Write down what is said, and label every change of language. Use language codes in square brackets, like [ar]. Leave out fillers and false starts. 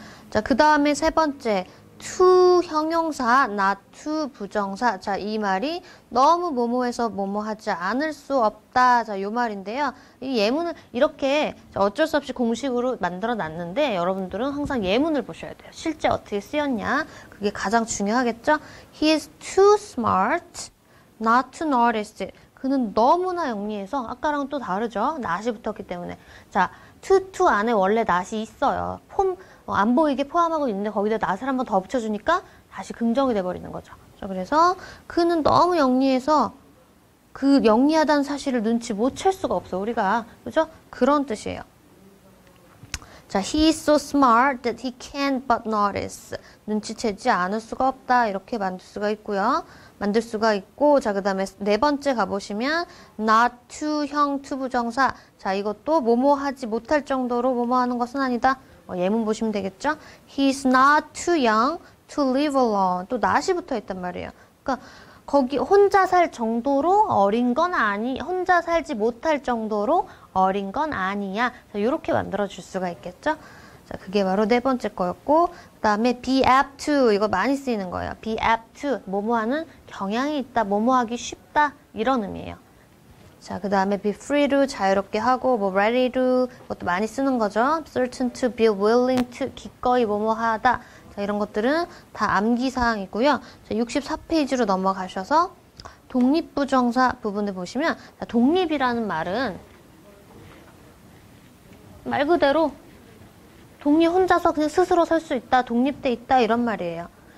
[ko] 자, 그 다음에 세 번째, to 형용사, [en] not to [ko] 부정사. 자, 이 말이 너무 뭐뭐해서 뭐뭐하지 않을 수 없다. 자, 요 말인데요. 이 예문을 이렇게 어쩔 수 없이 공식으로 만들어 놨는데 여러분들은 항상 예문을 보셔야 돼요. 실제 어떻게 쓰였냐. 그게 가장 중요하겠죠? [en] He is too smart not to notice. [ko] 그는 너무나 영리해서 아까랑은 또 다르죠? not이 붙었기 때문에. 자, to 안에 원래 not이 있어요. 폼 안 보이게 포함하고 있는데 거기다 낫을 한번 더 붙여주니까 다시 긍정이 돼버리는 거죠. 그래서 그는 너무 영리해서 그 영리하다는 사실을 눈치 못챌 수가 없어, 우리가. 그죠? 그런 뜻이에요. [en] 자, he is so smart that he can't but notice. [ko] 눈치채지 않을 수가 없다. 이렇게 만들 수가 있고요. 만들 수가 있고, 자, 그 다음에 네 번째 가보시면, [en] not to [ko] 형 to 부정사. 자, 이것도 뭐뭐 하지 못할 정도로 뭐뭐 하는 것은 아니다. 예문 보시면 되겠죠? [en] He is not too young to live alone. [ko] 또 not이 붙어 있단 말이에요. 그러니까 거기 혼자 살 정도로 어린 건 아니, 혼자 살지 못할 정도로 어린 건 아니야. 이렇게 만들어줄 수가 있겠죠? 자, 그게 바로 네 번째 거였고, 그다음에 [en] be apt to [ko] 이거 많이 쓰이는 거예요. [en] be apt to [ko] 뭐뭐하는 경향이 있다, 뭐뭐하기 쉽다 이런 의미예요. 자, 그다음에 [en] be free to [ko] 자유롭게 하고, 뭐 [en] ready to [ko] 이것도 많이 쓰는 거죠. [en] certain to be willing to [ko] 기꺼이 뭐뭐하다. 이런 것들은 다 암기사항이고요. 64페이지로 넘어가셔서 독립부정사 부분을 보시면, 독립이라는 말은 말 그대로 독립 혼자서 그냥 스스로 설수 있다, 독립돼 있다 이런 말이에요.